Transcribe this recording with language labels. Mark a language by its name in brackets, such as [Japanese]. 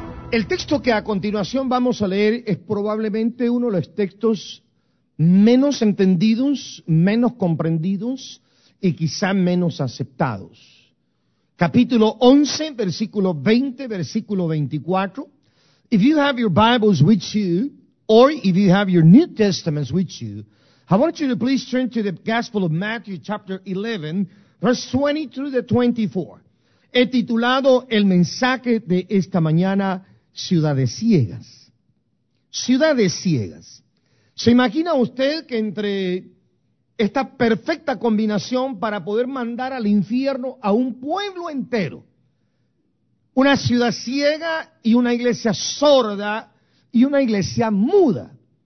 [Spanish] El texto que a continuación vamos a leer es probablemente uno de los textos menos entendidos, menos comprendidos y quizá menos aceptados. Capítulo 11, versículo 20, versículo 24. [English] If you have your Bibles with you, or if you have your New Testaments with you, I want you to please turn to the Gospel of Matthew, chapter 11, verse 20-24. [Spanish] He titulado el mensaje de esta mañana, Ciudades Ciegas. Ciudades Ciegas. ¿Se imagina usted que entre esta perfecta combinación para poder mandar al infierno a un pueblo entero, una ciudad ciega y una iglesia sorda y una iglesia muda?